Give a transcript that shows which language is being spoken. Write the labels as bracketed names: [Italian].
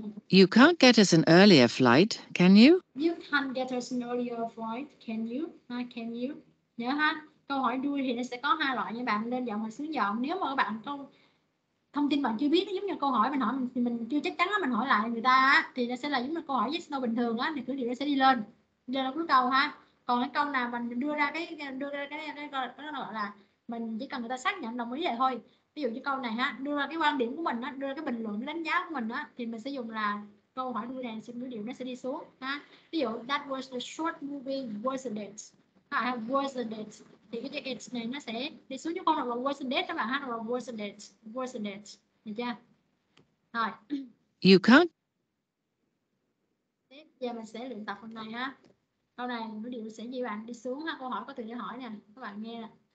[English] You can't get us an earlier flight, can you? You can't get us an earlier flight, can you? Can you? [Vietnamese] Nhớ ha. Câu hỏi đuôi thì nó sẽ có hai loại như bạn lên giọng hoặc xuống giọng. Nếu mà các bạn câu thông tin bạn chưa biết, nó giống như câu hỏi mình hỏi mình thì mình chưa chắc chắn mình hỏi lại người ta thì nó sẽ là giống như câu hỏi yes no bình thường á, thì cứ điều nó sẽ đi lên. Giờ là cuối câu ha. Còn cái câu nào mình đưa ra cái gọi là mình chỉ cần người ta xác nhận đồng ý vậy thôi. Ví dụ như câu này ha, đưa ra cái quan điểm của mình á, đưa ra cái bình luận, cái đánh giá của mình á, thì mình sẽ dùng là câu hỏi đuôi này, xin ngữ điệu nó sẽ đi xuống ha. Ví dụ [English] that was a short movie, wasn't it? Ha, wasn't it? [Vietnamese] Thì cái chữ it này nó sẽ đi xuống cho câu là wasn't it các bạn ha, là [English] wasn't it, wasn't it, [Vietnamese] được chưa? Rồi. [English] You can't. [Vietnamese] Tiếp giờ mình sẽ luyện tập hôm nay ha. Câu này ngữ điệu sẽ như bạn đi xuống ha, câu hỏi có từ để hỏi nè, các bạn nghe.